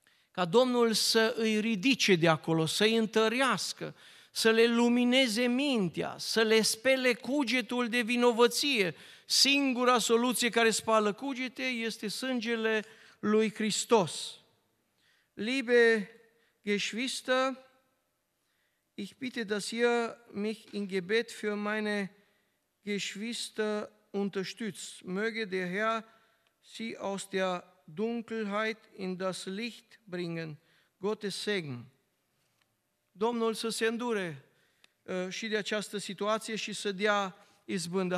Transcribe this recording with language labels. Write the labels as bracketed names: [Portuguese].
[Romanian] ca Domnul să îi ridice de acolo, să îi întărească, să le lumineze mintea, să le spele cugetul de vinovăție. Singura soluție care spală cugete este sângele lui Hristos. [German] Liebe Geschwister, ich bitte, dass ihr mich in Gebet für meine Geschwister unterstützt. Möge der Herr sie aus der Dunkelheit in das Licht bringen. Gottes Segen. [Romanian] Domnul să se îndure și de această situație și să dea izbândă.